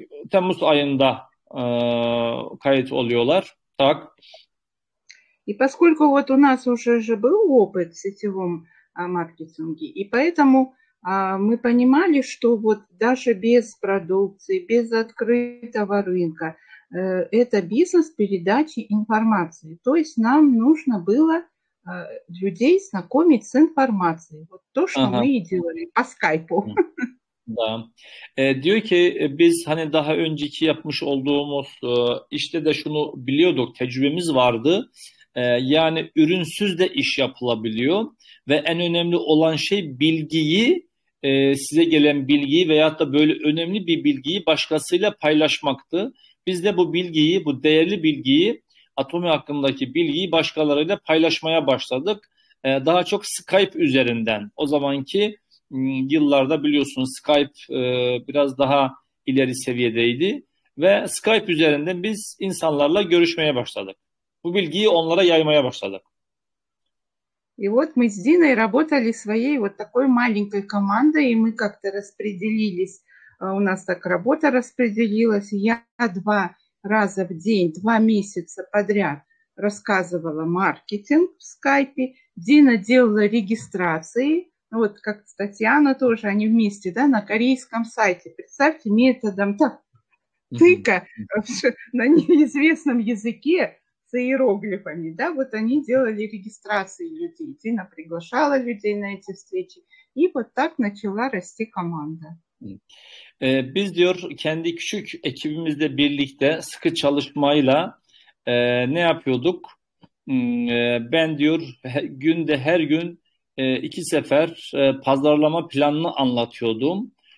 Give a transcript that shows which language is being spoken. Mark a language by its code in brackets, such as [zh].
[tr] Temmuz ayında kayıt oluyorlar. [ru] Так. И поскольку вот у нас уже же был опыт в сетевом маркетинге, и поэтому мы понимали, что вот даже без продукции, без открытого рынка, это бизнес передачи информации. То есть нам нужно было людей знакомить с информацией. Вот то, что мы и делали по скайпу. Da. [tr] Diyor ki biz hani daha önceki yapmış olduğumuz işte de şunu biliyorduk, tecrübemiz vardı. Yani ürünsüz de iş yapılabiliyor ve en önemli olan şey bilgiyi, size gelen bilgiyi veyahut da böyle önemli bir bilgiyi başkasıyla paylaşmaktı. Biz de bu bilgiyi, bu değerli bilgiyi, Atomi hakkındaki bilgiyi başkalarıyla paylaşmaya başladık. Daha çok Skype üzerinden. O zamanki yıllarda biliyorsunuz Skype biraz daha ileri seviyedeydi ve Skype üzerinden biz insanlarla görüşmeye başladık. Bu bilgiyi onlara yaymaya başladık. [ru] И вот мы с Диной работали своей вот такой маленькой командой, и мы как-то распределились. У нас так работа распределилась. Я два раза в день, два месяца подряд рассказывала маркетинг в Skype. Дина делала регистрации. Вот как Татьяна тоже, они вместе, да, на корейском сайте. Представьте, методом так, тыка на неизвестном языке с иероглифами, да, вот они делали регистрации людей. Дина приглашала людей на эти встречи, и вот так начала расти команда. [tr] Biz diyor kendi küçük ekibimizle birlikte sıkı çalışmayla ne yapıyorduk? Ben diyor günde her gün iki sefer pazarlama planını anlatıyordum.